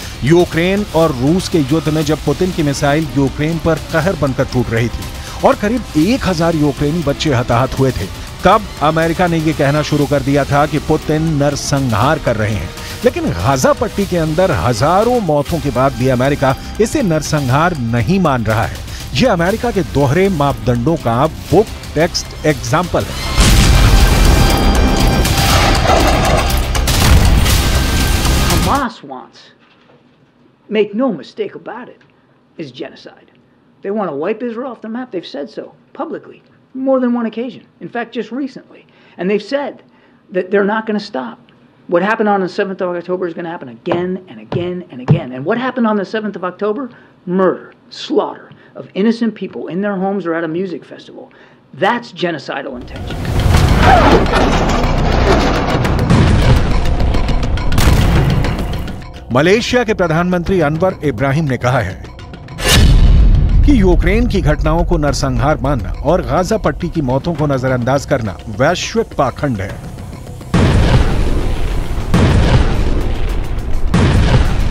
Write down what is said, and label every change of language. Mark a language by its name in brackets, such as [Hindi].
[Hindi] Ukraine और रूस के युद्ध में जब पुतिन की मिसाइल यूक्रेन पर कहर बनकर टूट रही थी और करीब 1,000 यूक्रेनी बच्चे हताहत हुए थे, तब अमेरिका ने यह कहना शुरू कर दिया था कि पुतिन नरसंहार कर रहे हैं। लेकिन गाजा पट्टी के अंदर हजारों मौतों के बाद भी अमेरिका इसे नरसंहार नहीं मान रहा है। यह अमेरिका के दोहरे मापदंडों का [English] book text example [Hindi] है। [English] Hamas wants, make no mistake about it, is genocide. They want to wipe Israel off the map. They've said so publicly more than one occasion. In fact, just recently. And they've said that they're not going to stop. What happened on the 7th of October is going to happen again and again and again. And what happened on the 7th of October? Murder, slaughter of innocent people in their homes or at a music festival. That's genocidal intention. [Hindi] Malaysia के प्रधानमंत्री अनवर इब्राहिम ने कहा है कि Ukraine की घटनाओं को नरसंहार मानना और गाजा पट्टी की मौतों को नजरअंदाज करना वैश्विक पाखंड है।